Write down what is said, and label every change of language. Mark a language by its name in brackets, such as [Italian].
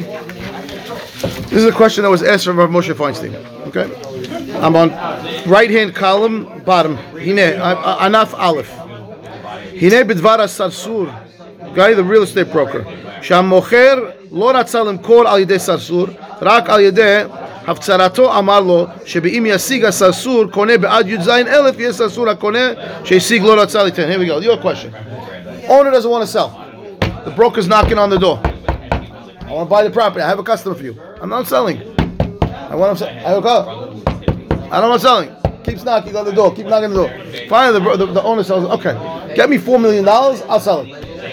[English] This is a question that was asked from Rav Moshe Feinstein. Okay? I'm on right-hand column, bottom. [Hebrew] Hineh, Anaf Aleph. Hineh Bidvara Sarsur. [English] Guy, the real estate broker. [Hebrew] Sham Mocher Lo Ratza Limkor Al Yedeh Sarsur. Rak Al Yedeh. הפצרתו אמר לו שבאם ישיג הסרסור קונה בעד י"ז אלף יהיה סרסור הקונה שישיג לא רצה ליתן. [English] Here we go, your question. Owner doesn't want to sell. The broker's knocking on the door. I want to buy the property. I have a customer for you. I'm not selling. I don't want selling. Keeps knocking on the door. Finally, the owner says, okay, get me $4 million, I'll sell it.